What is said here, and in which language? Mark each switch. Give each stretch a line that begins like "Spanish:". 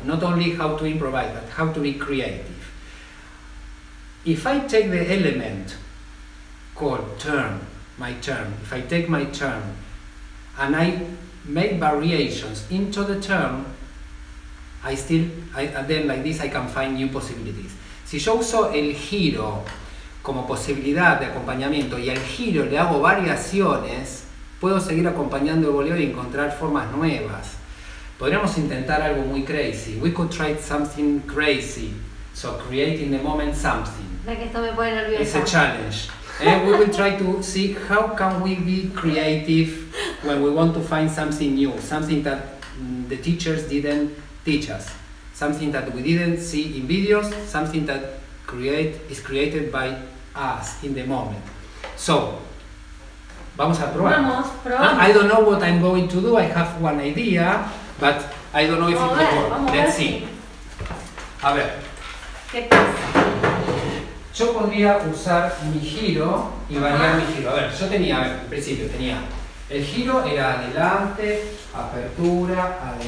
English: Not only how to improvise, but how to be creative. If I take the element called turn, my turn, if I take my turn and I make variations into the turn, then like this I can find new possibilities.
Spanish: Si yo uso el giro como posibilidad de acompañamiento y al giro le hago variaciones, puedo seguir acompañando el boleo y encontrar formas nuevas. Podríamos intentar algo muy
English: crazy. We could try something crazy. So create in the moment something.
Spanish: La que esto me pone nerviosa.
English: It's a challenge. And we will try to see how can we be creative when we want to find something new, something that the teachers didn't teach us, something that we didn't see in videos, something that is created by us in the moment.
Spanish: So, vamos a probar. Vamos.
English: I don't know what I'm going to do, I have one idea, but I don't know if it will work. Let's see.
Spanish: A ver. ¿Qué pasa? Yo podría usar mi giro y variar mi giro. A ver, yo tenía, en principio, tenía el giro era adelante, apertura.